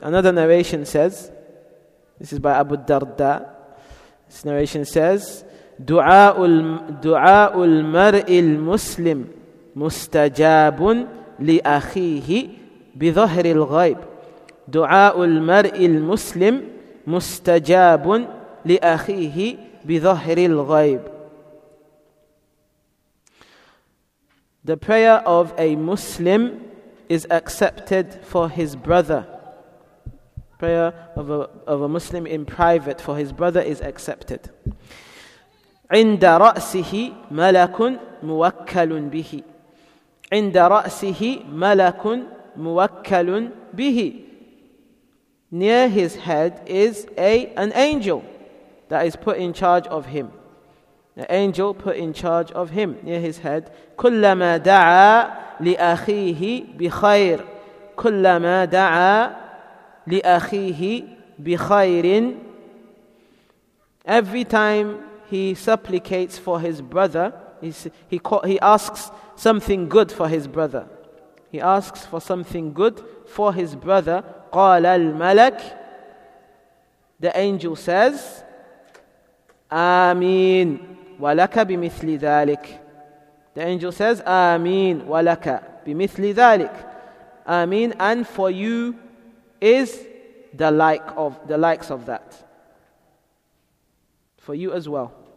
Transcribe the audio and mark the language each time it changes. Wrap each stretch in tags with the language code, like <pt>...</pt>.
<en>Another narration says, this is by Abu Darda, this narration says,</en> <ar>دُعَاءُ الْمَرْءِ الْمُسْلِمْ مُسْتَجَابٌ لِأَخِيهِ بِظَهْرِ الْغَيْبِ دُعَاءُ الْمَرْءِ الْمُسْلِمْ مُسْتَجَابٌ لِأَخِيهِ بِظَهْرِ الْغَيْبِ.</ar> <en>The prayer of a Muslim is accepted for his brother. Prayer of a Muslim in private for his brother is accepted.</en> <ar>عِنْدَ رَأْسِهِ مَلَكٌ مُوَكَّلٌ بِهِ عِنْدَ رَأْسِهِ مَلَكٌ مُوَكَّلٌ بِهِ.</ar> <en>Near his head is an angel that is put in charge of him. An angel put in charge of him near his head.</en> <ar>كُلَّمَا دَعَى لِأَخِيهِ بِخَيْرٍ كُلَّمَا دَعَى لِأَخِيهِ بِخَيْرٍ.</ar> <en>Every time he supplicates for his brother, he asks something good for his brother. He asks for something good for his brother.</en> <ar>قَالَ الْمَلَكُ.</ar> <en>The angel says, آمين.</en> <ar>وَلَكَ بِمِثْلِ ذَلِكَ.</ar> <en>The angel says,</en> <ar>آمين وَلَكَ بِمِثْلِ ذَلِكَ.</ar> <en>آمين, and for you is the likes of that. For you as well.</en>